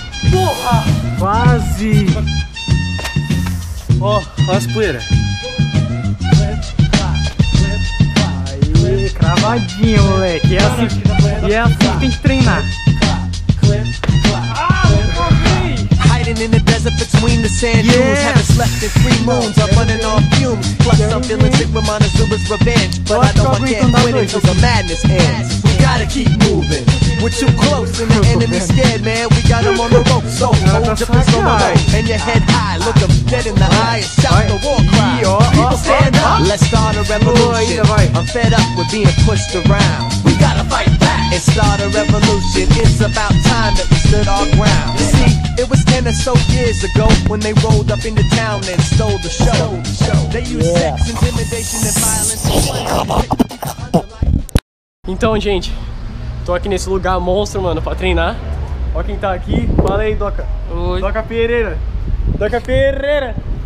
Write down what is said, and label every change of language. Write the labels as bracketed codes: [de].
[pt] Porra! Quase! Ó, olha as poeiras. Aí, cravadinho, moleque. E assim, e é assim que tem que treinar. [en] In the desert between the sand dunes, yeah. Haven't slept in 3 moons. I'm running on fumes. Plus, I'm feeling sick with Montezuma's revenge. But I know I can't win it until the madness ends. We gotta keep moving. We're too close, and the enemy's scared, man. We got them on the rope, so hold your pistol on the rope and your head high. Look them dead in the eye and shout the war cry. People stand up, let's start a revolution. I'm fed up with being pushed around. We gotta fight back and start a revolution. It's about time that we stood our ground. You see, it was 10 or so years ago when they rolled up into town and stole the show. They used sex, intimidation, and violence. [pt] Então, gente. Tô aqui nesse lugar monstro, mano, pra treinar. Ó quem tá aqui. Fala aí, Doca. Oi. Doca Pereira. Doca Pereira.